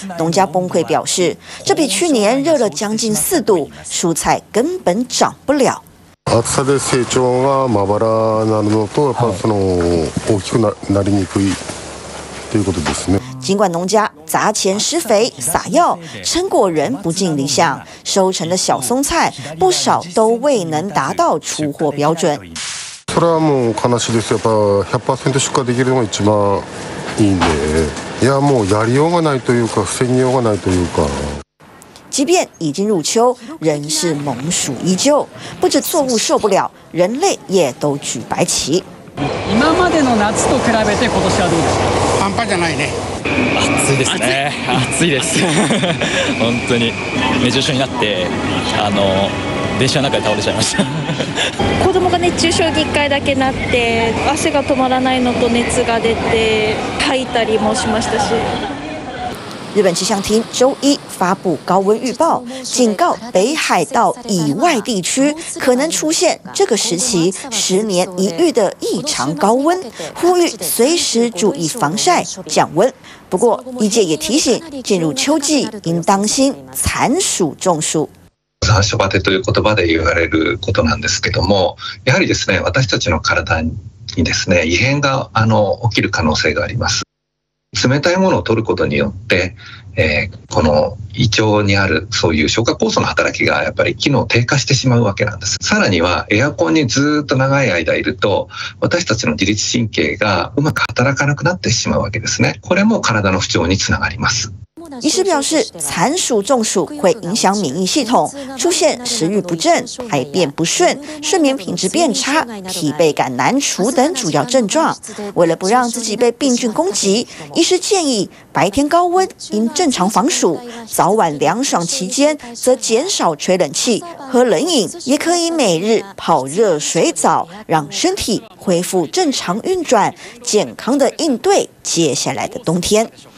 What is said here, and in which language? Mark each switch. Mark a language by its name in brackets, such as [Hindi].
[Chinese] 农家崩溃表示，这比去年热了将近4度，蔬菜根本长不了。 [Japanese] 暑さで成長がまばらなるのと、やっぱその大きくなりにくいということですね。 [Chinese] 尽管农家砸钱施肥撒药，成果仍不尽理想，收成的小松菜不少都未能达到出货标准。 [Japanese] それはもう悲しいですよ。やっぱ 100% 出荷できるのが一番いいんで、いやもうやりようがないというか、防ぎようがないというか。 [Chinese] 即便已经入秋，仍是猛暑依旧，不止作物受不了，人类也都举白旗。 [Japanese] 今までの夏と比べて今年はどうですか？半端じゃないね。暑いですね。暑いです。本当に熱中症になって、あの電車の中で倒れちゃいました。子供が熱中症に1回だけなって、汗が止まらないのと熱が出て吐いたりもしましたし。 [Chinese] 日本气象厅周一发布高温预报，警告北海道以外地区可能出现这个时期十年一遇的异常高温，呼吁随时注意防晒降温。不过医界也提醒，进入秋季应当心残暑中暑。 [Japanese] 残暑バテという言葉で言われることなんですけども、やはりですね、私たちの体にですね、異変が起きる可能性があります。冷たいものを取ることによって、この胃腸にあるそういう消化酵素の働きがやっぱり機能低下してしまうわけなんです。さらにはエアコンにずっと長い間いると、私たちの自律神経がうまく働かなくなってしまうわけですね。これも体の不調につながります。 [Chinese] 医师表示，残暑中暑会影响免疫系统，出现食欲不振、排便不顺、睡眠品质变差、疲惫感难除等主要症状。为了不让自己被病菌攻击，医师建议白天高温应正常防暑，早晚凉爽期间则减少吹冷气、喝冷饮，也可以每日泡热水澡，让身体恢复正常运转，健康的应对接下来的冬天。